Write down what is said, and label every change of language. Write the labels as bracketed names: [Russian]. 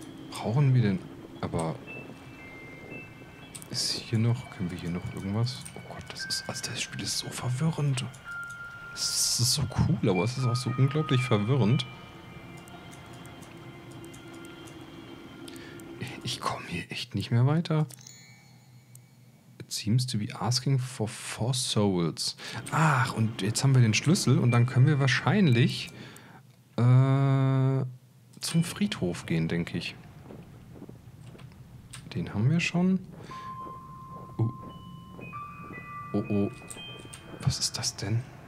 [German] Brauchen wir denn... Aber... Ist hier noch... Können wir hier noch irgendwas... Oh Gott, das ist... Also das Spiel ist so verwirrend. Es ist so cool, aber es ist auch so unglaublich verwirrend. Ich komme hier echt nicht mehr weiter. [English] It seems to be asking for 4 souls. [German] Ach, und jetzt haben wir den Schlüssel und dann können wir wahrscheinlich zum Friedhof gehen, denke ich. Den haben wir schon. Oh oh. Was ist das denn?